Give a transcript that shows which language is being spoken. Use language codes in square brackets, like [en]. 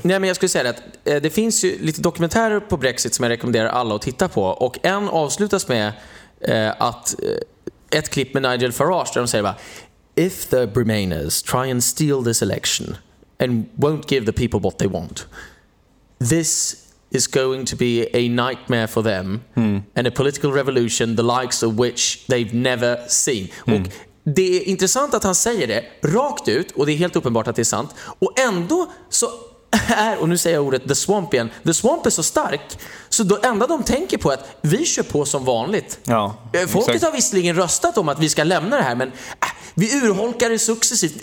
[sv] Nej, men jag skulle säga att det finns ju lite dokumentärer på Brexit som jag rekommenderar alla att titta på. Och en avslutas med att ett klipp med Nigel Farage där de säger [en] "If the Remainers try and steal this election and won't give the people what they want, this is going to be a nightmare for them and a political revolution the likes of which they've never seen." Mm. [sv] Och det är intressant att han säger det rakt ut och det är helt uppenbart att det är sant. Och ändå så är, och nu säger jag ordet the swamp igen, the swamp är så stark så det enda de tänker på är att vi kör på som vanligt. Ja, folket exakt. Har visserligen röstat om att vi ska lämna det här men vi urholkar det successivt.